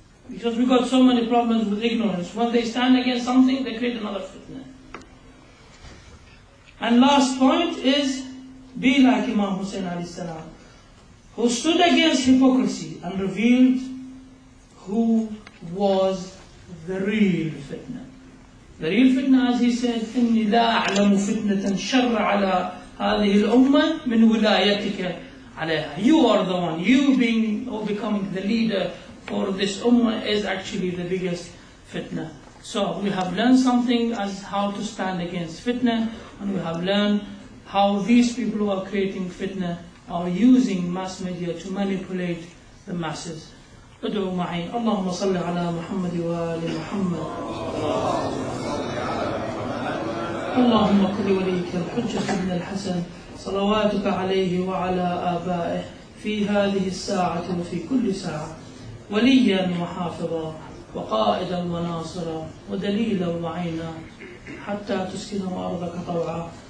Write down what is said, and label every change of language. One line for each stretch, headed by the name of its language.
English: Because we've got so many problems with ignorance. When they stand against something, they create another fitna. And last point is, be like Imam Hussein alayhi salam, who stood against hypocrisy and revealed who was the real fitna. The real fitna, as he said,
Arabic: "إني لا أعلم فتنة شر على هذه الأمة من ولايتك عليها."
English: You are the one. You being or becoming the leader for this ummah is actually the biggest fitna. So we have learned something as how to stand against fitna, and we have learned how these people who are creating fitna are using mass media to manipulate the masses.
Arabic: ادعوا معي اللهم صل على محمد وآل محمد اللهم كل وليك الحجة ابن الحسن صلواتك عليه وعلى آبائه في هذه الساعة وفي كل ساعة وليا وحافظا وقائدا وناصرا ودليلا وعينا حتى تسكنه أرضك طوعا